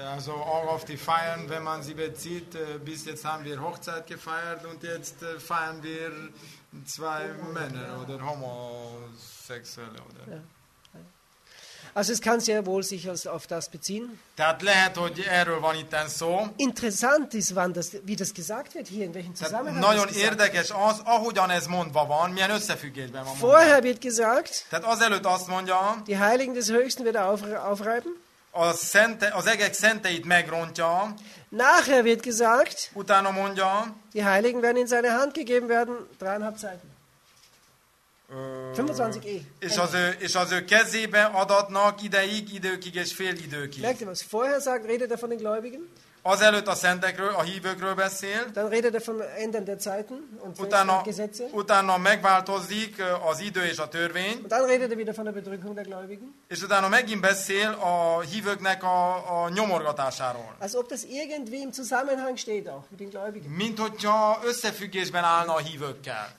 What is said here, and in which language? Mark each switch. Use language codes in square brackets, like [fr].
[de] also all of the feiern, wenn man sie bezieht, bis jetzt haben wir Hochzeit gefeiert und jetzt feiern wir zwei Männer oder homosexuelle oder. Ja. Also es kann sehr wohl sich auf das beziehen. [hu] Tehát lehet, hogy erről van itten szó. [de] Interessant ist, wann das, wie das gesagt wird hier, in welchem Zusammenhang. [hu] Tehát nagyon érdekes az, ahogyan ez mondva van, milyen összefüggésben van. [de] Vorher wird gesagt, [hu] tehát azelőtt azt mondja, [de] die Heiligen des Höchsten wird er aufreiben. [hu] Az egek szenteit megrontja. [de] Nachher wird gesagt, [hu] utána mondja, [de] die Heiligen werden in seine Hand gegeben werden, 3,5 Zeiten. 25e. [hu] És az ő kezébe adatnak ideig, időkig és fél időkig. [de] Merkt ihr was? Vorher sagt, redet er von den Gläubigen. [hu] Azelőtt a szentekről, a hívőkről beszél. [de] Dann redet er vom Ändern der Zeiten und [hu] utána, [de] Gesetze. [hu] Utána megváltozik az idő és a törvény. [de] Und dann redet er wieder von der Bedrückung der Gläubigen. [hu] És utána megint beszél a hívőknek a nyomorgatásáról. [de] Als ob das irgendwie im Zusammenhang steht auch mit den Gläubigen. [hu] Mint hogyha összefüggésben állna a hívőkkel.